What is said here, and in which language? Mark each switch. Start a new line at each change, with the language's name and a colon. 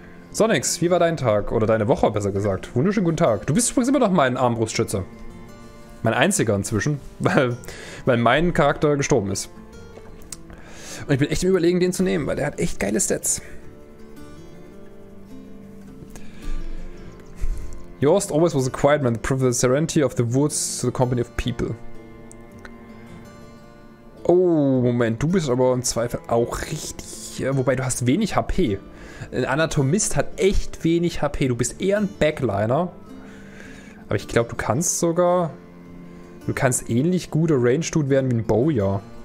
German: Sonix, wie war dein Tag? Oder deine Woche, besser gesagt. Wunderschönen guten Tag. Du bist übrigens immer noch mein Armbrustschütze. Mein einziger inzwischen, weil mein Charakter gestorben ist. Und ich bin echt im Überlegen, den zu nehmen, weil der hat echt geile Stats.
English: Yost always was a quiet man, the privileged serenity of the woods to the company of people.
German: Oh, Moment, du bist aber im Zweifel auch richtig, wobei du hast wenig HP. Ein Anatomist hat echt wenig HP, du bist eher ein Backliner. Aber ich glaube, du kannst sogar, du kannst ähnlich gut Arranged-Dude werden wie ein Bowyer.